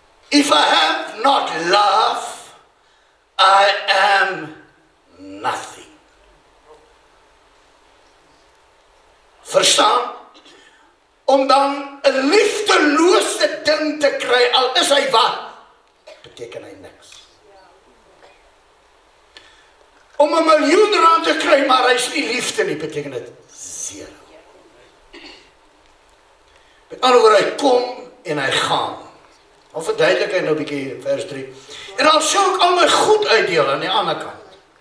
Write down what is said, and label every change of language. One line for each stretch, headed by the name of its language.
English: If I have not love, I am nothing.
Afrikaans: Verstaan? Om dan een liefdeloose ding te kry, al is hy wat, beteken hy niks. Om een miljoen rand te kry, maar hy is nie liefde nie, beteken dit zero. Met ander woord, hy kom en hy gaan. Al verduidelik hy nou bykie vers 3. En al sal ek al my goed uitdeel aan die ander kant.